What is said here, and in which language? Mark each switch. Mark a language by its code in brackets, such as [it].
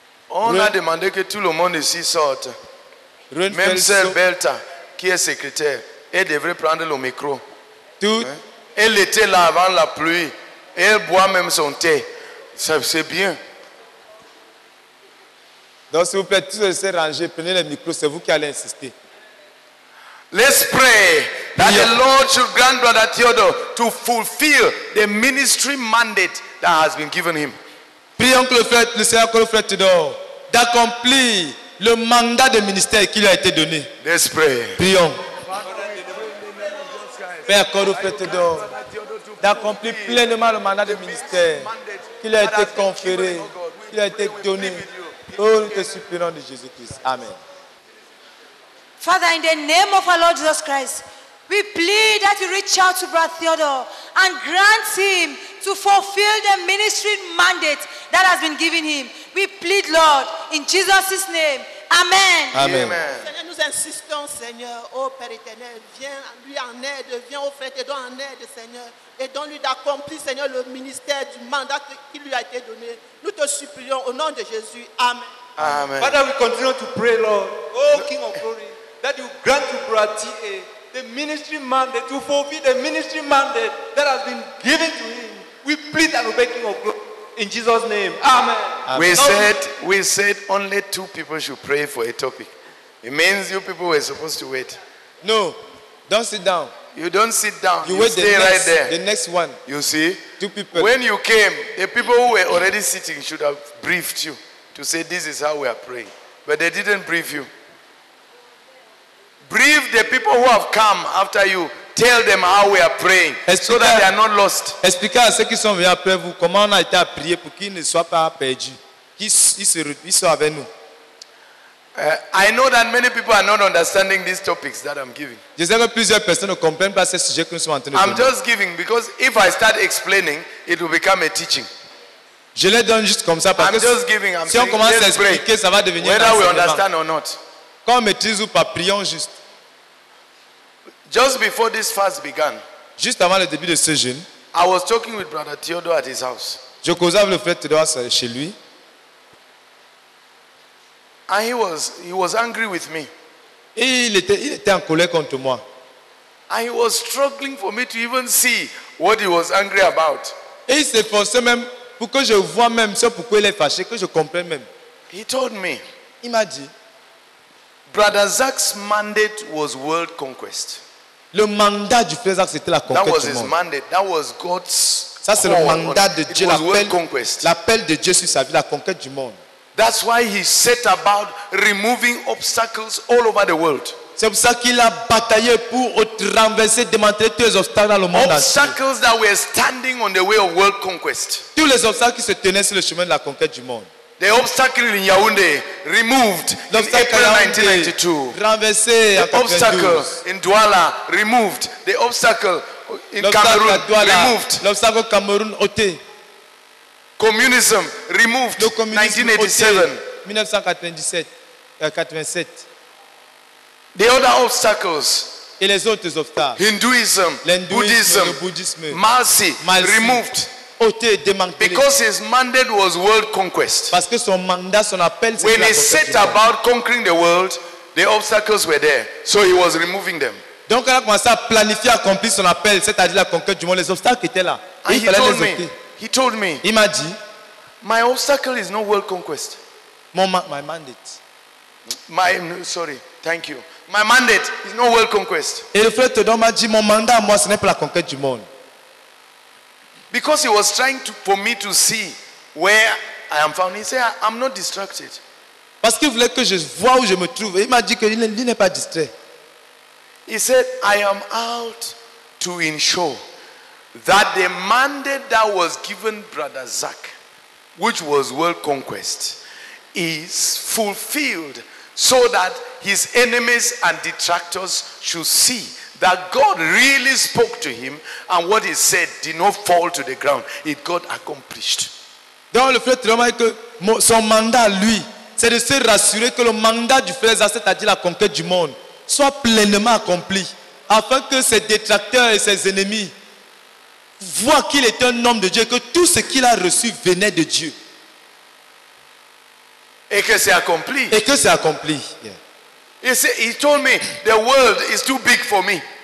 [fr] On a demandé que tout le monde ici sorte. Même sœur Belta, qui est secrétaire, elle devrait prendre le micro. Elle était là avant la pluie. Elle boit même son thé. C'est bien. Donc s'il vous plaît, tous les rangés, prenez les micros, c'est vous qui allez insister. [en] Let's pray that the Lord should grant Brother Theodore to fulfill the ministry mandate that has been given him. [fr] Prions que le frère, le Seigneur, que le frère Theodore d'accomplir le mandat de ministère qui lui a été donné. [en] Let's pray. [fr] Prions. Père, que le frère Theodore d'accomplir pleinement le mandat de ministère qui lui a été conféré, qui lui a été donné. Oh, nous te supplions de Jésus-Christ. Amen. [en] Father, in the name of our Lord Jesus Christ, we plead that you reach out to Brother Theodore and grant him to fulfill the ministry mandate that has been given him. We plead, Lord, in Jesus' name. Amen. Amen. [fr] Seigneur, nous insistons, Seigneur, ô Père éternel, viens lui en aide, viens au frère Théodore en aide, Seigneur, et donne-lui d'accomplir, Seigneur, le ministère du mandat qui lui a été donné. Nous te supplions au nom de Jésus. Amen. Amen. [en] Father, we continue to pray, Lord, O King of Glory, that you grant to Brati the ministry mandate, to fulfill the ministry mandate that has been given to him. We plead and obey King of Glory in Jesus' name. Amen. We said only two people should pray for a topic. It means you people were supposed to wait. No, don't sit down. You don't sit down. You wait, stay next, right there. The next one. You see? Two people. When you came, the people who were already sitting should have briefed you to say this is how we are praying. But they didn't brief you. Brief the people who have come after you. Tell them how we are praying. [fr] Explique, [en] so that they are not lost. Expliquez à ceux qui sont venus après vous comment on a été à prier pour qu'ils ne soient pas perdus. Qu'ils soient avec nous. I know that many people are not understanding these topics that I'm giving. [fr] Je sais que plusieurs personnes ne comprennent pas ces sujets que nous sommes en train de faire. [en] I'm just giving because if I start explaining, it will become a teaching. [fr] Je les donne juste comme ça parce [en] I'm [fr] que [en] just giving, I'm [fr] si on commence à expliquer, [en] pray, [fr] ça va devenir [en] whether we understand or not. [fr] Quand on maîtrise ou pas, prions juste. [en] Just before this fast began, [fr] juste avant le début de ce jeûne, [en] I was talking with Brother Theodore at his house. [fr] Je causais avec le frère Theodore chez lui. [en] And he was angry with me. [fr] Et il était en colère contre moi. [en] And he was struggling for me to even see what he was angry about. [fr] Et il s'efforçait même pour que je voie même ce pourquoi il est fâché, que je comprenne même. [en] He told me. [fr] Il m'a dit. [en] Brother Zach's mandate was world conquest. [fr] Le mandat du frère Zach, c'était la conquête. [en] That was his mandate. That was God's. [fr] Ça c'est le mandat de Dieu, l'appel de Dieu sur sa vie, la conquête du monde. [en] That's why he set about removing obstacles all over the world. [fr] C'est pour ça qu'il a bataillé pour traverser, démanteler tous les obstacles dans le monde. [en] Obstacles that were standing on the way of world conquest. [fr] Tous les obstacles qui se tenaient sur le chemin de la conquête du monde. [en] The obstacle in Yaoundé removed [fr] l'obstacle [en] in April 1992. [fr] Renversé [en] the obstacle in Douala removed. The obstacle in Cameroon removed. [fr] L'obstacle au Cameroun ôté. [en] Communism removed. [fr] Le communisme 1987. [en] The other obstacles. [fr] Et les autres obstacles. [en] Hinduism, [fr] l'hindouisme, [en] Buddhism, [fr] le bouddhisme, [en] Marxi removed. Because his mandate was world conquest. [fr] Parce que son mandat, son appel, c'est [en] when he set about conquering the world, the obstacles were there, so he was removing them. [fr] Donc il a commencé à planifier, accomplir son appel, c'est-à-dire la conquête du monde. Les obstacles étaient là. [en] He told me. [fr] Il m'a dit, [en] my obstacle is not world conquest. My mandate. My mandate is not world conquest. [fr] Et le frère Todor m'a dit, mon mandat à moi, ce n'est pas la conquête du monde. [en] Because he was trying to, for me to see where I am found. He said, I'm not distracted. [fr] Parce qu'il voulait que je voie où je me trouve. Il m'a dit qu'il n'est pas distrait. [en] He said, I am out to ensure that the mandate that was given Brother Zach, which was world conquest, is fulfilled so that his enemies and detractors should see that God really spoke to him and what he said did not fall to the ground. It got accomplished. [fr] Donc le frère Thomas, que son mandat lui, c'est de se rassurer que le mandat du frère Zach, c'est-à-dire la conquête du monde, soit pleinement accompli, afin que ses détracteurs et ses ennemis voient qu'il est un homme de Dieu, que tout ce qu'il a reçu venait de Dieu. Et que c'est accompli. Et que c'est accompli. Yeah. [en] He told me the world is too big for me.